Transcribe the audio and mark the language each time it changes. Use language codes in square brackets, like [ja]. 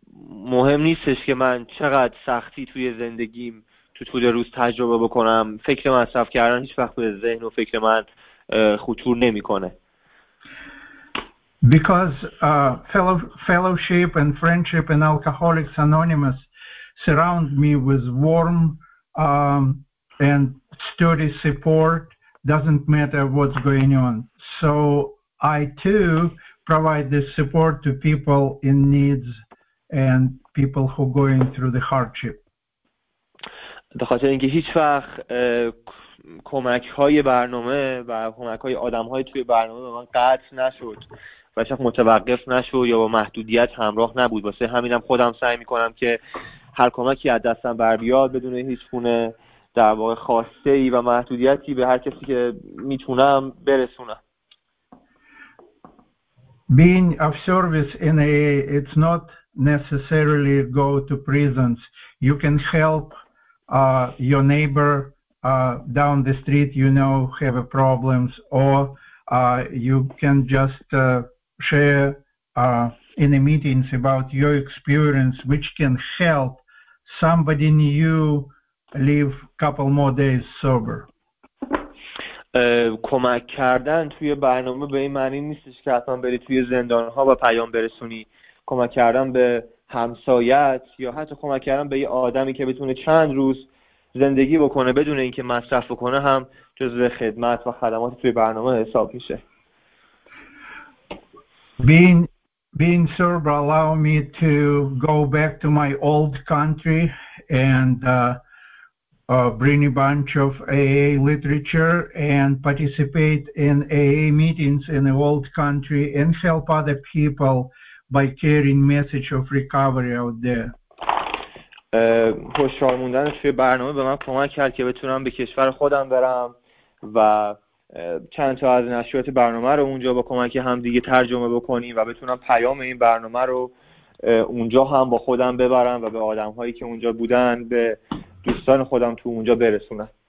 [fa] مهم نیستش که من چقدر سختی توی زندگیم تو طول روز تجربه بکنم، فکر مصرف کردن هیچ وقت به ذهن و فکر من خطور نمی کنه. [en] Because fellowship and friendship and Alcoholics Anonymous surround me with warm and sturdy support, doesn't matter what's going on. So I too provide this support to people in needs and people who are going through the hardship. [fa] به خاطر اینکه هیچ وقت کمک‌های برنامه و کمک‌های آدم‌های توی برنامه به من قطع نشد و هیچ وقت متوقف نشد یا با محدودیت همراه نبود، واسه همینم خودم سعی می‌کنم که هر کمکی از دستم بر بیاد بدون هیچ گونه در واقع خواسته‌ای و محدودیتی به هر کسی که می‌تونم برسونم. [en] Being of service in AA, it's not necessarily go to prisons. You can help your neighbor down the street, you know, have problems, or you can just share in the meetings about your experience, which can help somebody new live a couple more days sober. [fa] کمک کردن توی برنامه به این معنی نیستش که حتما بری توی زندان‌ها و پیام برسونی. کمک کردن به همسایت یا حتی کمک کردن به یه آدمی که بتونه چند روز زندگی بکنه بدون اینکه مصرف بکنه هم جزء خدمت و خدمات توی برنامه حساب میشه. [en] Being sober allow me to go back to my old country and bring a bunch of AA literature and participate in AA meetings in the old country and help other people by carrying message of recovery out there. [fa] خوشحال موندن توی برنامه به من کمک کرد که بتونم به کشور خودم برم و چند تا از نشریات برنامه رو اونجا با کمک هم دیگه ترجمه بکنیم و بتونم پیام این برنامه رو اونجا هم با خودم ببرم و به آدم هایی که اونجا بودن به دوستان خودم تو اونجا برسونم.